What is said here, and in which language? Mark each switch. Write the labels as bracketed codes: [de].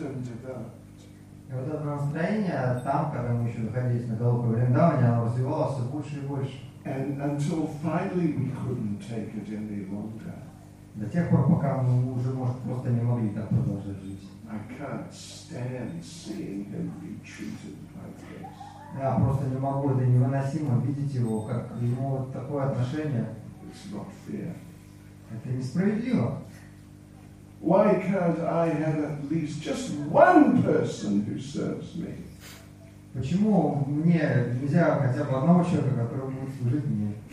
[ru] И вот это настроение там, когда мы еще находились на Голока Вриндаване, оно развивалось все больше и больше. [en] And until finally we couldn't take it any longer. [ru] До тех пор, пока мы уже, может, просто не могли так продолжать жить. [en] I can't stand seeing him be treated like this. [ru] Я просто не могу, это невыносимо видеть его, как ему вот такое отношение. [en] It's not fair. [ru] Это несправедливо. [en] Why can't I have at least just one person who serves me? [ru] Почему мне нельзя хотя бы одного человека, который будет служить мне?